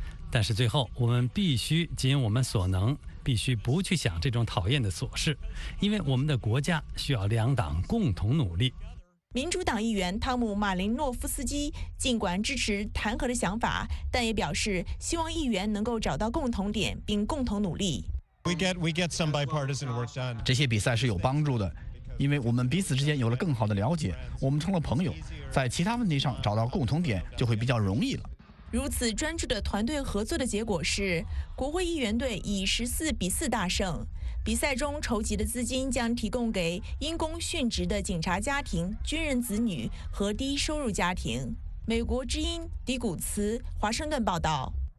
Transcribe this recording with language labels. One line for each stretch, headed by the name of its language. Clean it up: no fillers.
Chinese: 但是最后，我们必须尽我们所能。必须不去想这种讨厌的琐事，因为我们的国家需要两党共同努力。民主党议员汤姆·马林诺夫斯基尽管支持弹劾的想法，但也表示希望议员能够找到共同点并共同努力。
English: We get some bipartisan work done.
Chinese: 这些比赛是有帮助的，因为我们彼此之间有了更好的了解，我们成了朋友，在其他问题上找到共同点就会比较容易了。如此专注的团队合作的结果是，国会议员队以14-4大胜。比赛中筹集的资金将提供给因公殉职的警察家庭、军人子女和低收入家庭。美国之音，迪古茨，华盛顿报道。